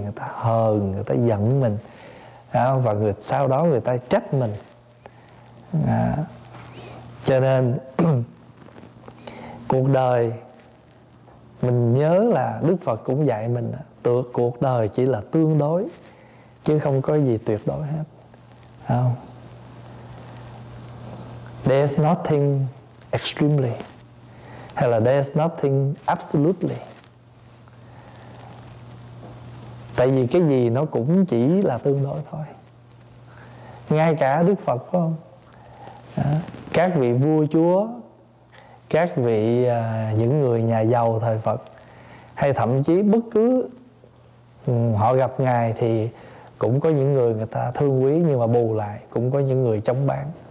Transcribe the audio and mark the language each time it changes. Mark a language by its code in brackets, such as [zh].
[vi] Người ta hờn, người ta giận mình à, và người, sau đó người ta trách mình à. Cho nên cuộc đời, mình nhớ là Đức Phật cũng dạy mình cuộc đời chỉ là tương đối chứ không có gì tuyệt đối hết. Không? [en] There's nothing extremely, [vi] hay là [en] there's nothing absolutely. [vi] Tại vì cái gì nó cũng chỉ là tương đối thôi. Ngay cả Đức Phật phải không? À, các vị vua chúa, các vị những người nhà giàu thời Phật, hay thậm chí bất cứ họ gặp Ngài thì cũng có những người người ta thương quý, nhưng mà bù lại cũng có những người chống bán.